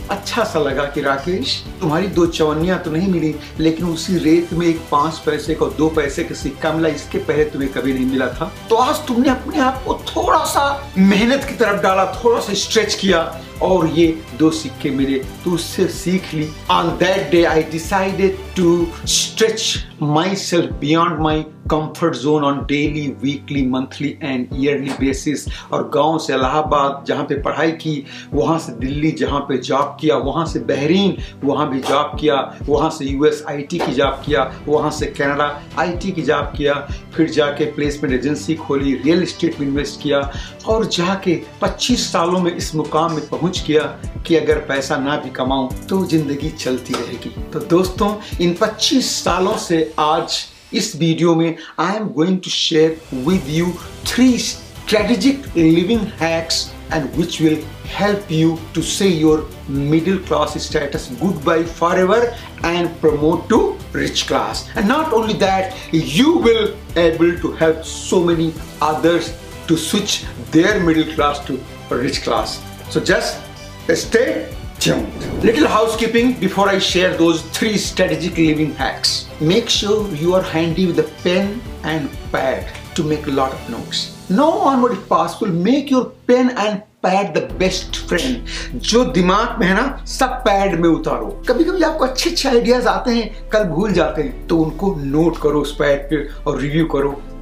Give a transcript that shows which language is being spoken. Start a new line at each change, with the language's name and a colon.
Hindi: अच्छा सा लगा कि राकेश तुम्हारी दो चवन्नियां तो नहीं मिली लेकिन उसी रेत में एक 5 पैसे का और 2 पैसे का सिक्का मिला. इसके पहले तुम्हें कभी नहीं मिला था. तो आज तुमने अपने आप को थोड़ा सा मेहनत की तरफ डाला, थोड़ा सा स्ट्रेच किया और ये 2 सिक्के मिले. तो उससे सीख ली.
English: On that day I decided to stretch myself beyond my comfort zone on daily, weekly, monthly and yearly basis.
Hindi: और गांव से इलाहाबाद जहां पे पढ़ाई की, वहां से दिल्ली जहां पे जॉब किया, वहां से बहरीन वहां भी जॉब किया, वहां से US IT की जॉब किया, वहां से कनाडा IT की जॉब किया, फिर जाके प्लेसमेंट एजेंसी खोली, रियल एस्टेट में इन्वेस्ट किया और जाके 25 सालों में इस मुकाम में पहुंच गया कि अगर पैसा ना भी कमाऊं तो जिंदगी चलती रहेगी. तो दोस्तों इन 25 सालों से आज इस वीडियो में
English: I am going to share with you 3 strategic living hacks and which will help you to say your middle class status good bye forever and promote to rich class. And not only that, you will able to help so many others to switch their middle class to rich class. So just stay tuned. Little housekeeping before I share those 3 strategic living hacks. Make sure you are handy with a pen and pad to make a lot of notes. Now onward if possible, make your pen and pad the best friend.
Hindi: जो दिमाग में है ना सब pad में उतारो. कभी कभी आपको अच्छे अच्छे आइडियाज आते हैं कल भूल जाते हैं तो उनको नोट करो उस पैड पे और रिव्यू करो.